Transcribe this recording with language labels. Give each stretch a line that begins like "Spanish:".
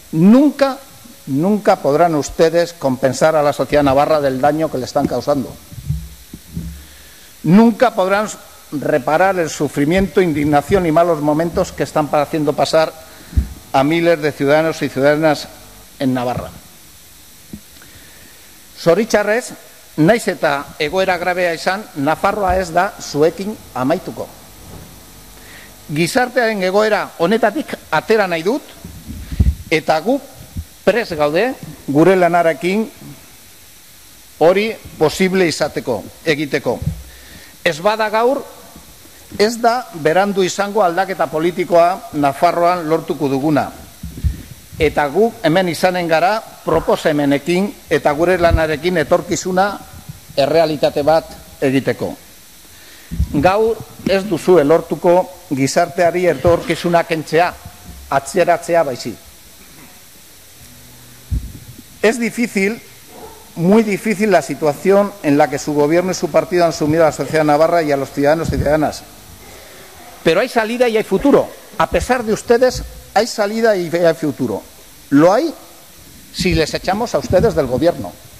Spanish: Nunca, nunca podrán ustedes compensar a la sociedad navarra del daño que le están causando. Nunca podrán reparar el sufrimiento, indignación y malos momentos que están haciendo pasar a miles de ciudadanos y ciudadanas en Navarra.
Basque: Zoritxarrez, naiz eta egoera grabea izan, Nafarroa ez da zuekin amaituko. Gizartearen egoera honetatik atera nahi dut, eta gu prest gaude gure lanarekin hori posible izateko, egiteko. Ez bada gaur, ez da berandu izango aldaketa politikoa Nafarroan lortuko duguna. Eta gu hemen izanen gara proposemenekin eta gure lanarekin etorkizuna errealitate bat egiteko. Gaur ez duzu elortuko gizarteari etorkizuna kentzea, atzeratzea baizik.
Spanish: Es difícil, muy difícil la situación en la que su gobierno y su partido han sumido a la sociedad navarra y a los ciudadanos y ciudadanas. Pero hay salida y hay futuro. A pesar de ustedes, hay salida y hay futuro. Lo hay si les echamos a ustedes del gobierno.